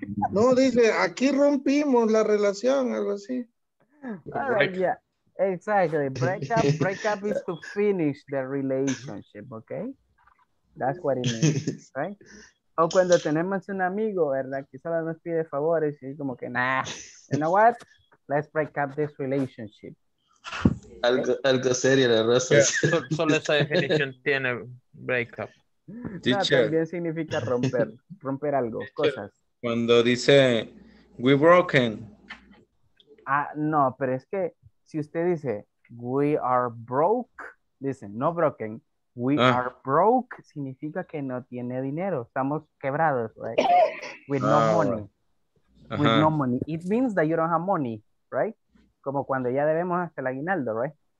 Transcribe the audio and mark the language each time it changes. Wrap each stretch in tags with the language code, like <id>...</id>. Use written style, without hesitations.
<es>No, dice, aquí rompimos la relación, algo así.</es> <en>Yeah, exactly. Break up is to finish the relationship, okay? That's what it means, right?</en> <es>O cuando tenemos un amigo, ¿verdad? Que solo nos pide favores y como que, nah,</es> <en>you know what? Let's break up this relationship.</en> <es>Algo serio, la raza. Solo esa definición tiene break up. Teacher. También significa romper algo, cosas. Cuando dice,</es> <en>we broken.</en> <es>Ah, no, pero es que si usted dice,</es> <en>we are broke, listen, no broken, we are broke,</en> <es>significa que no tiene dinero. Estamos quebrados,</es> <en>right? With no money. Uh-huh. With no money. It means that you don't have money, right?</en> <es>Como cuando ya debemos hasta el aguinaldo, right?</es>